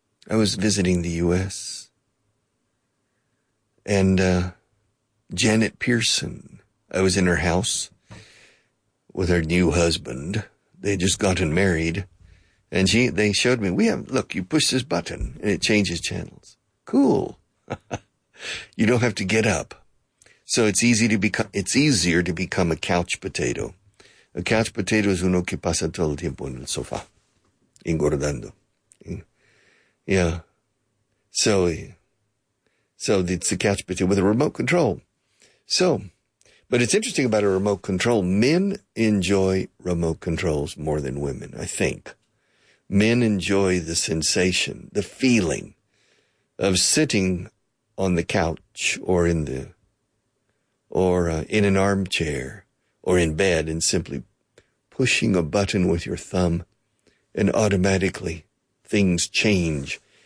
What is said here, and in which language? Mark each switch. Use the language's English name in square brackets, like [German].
[English] I was visiting the U.S., and Janet Pearson, I was in her house with her new husband. They had just gotten married, and they showed me, look, you push this button, and it changes channels. Cool. You don't have to get up. So it's easier to become a couch potato. A couch potato is [Spanish] uno que pasa todo el tiempo en el sofá, engordando. [English] Yeah. So it's a couch potato with a remote control. But it's interesting about a remote control. Men enjoy remote controls more than women, I think. Men enjoy the sensation, the feeling of sitting on the couch or in an armchair or in bed and simply pushing a button with your thumb and automatically things change.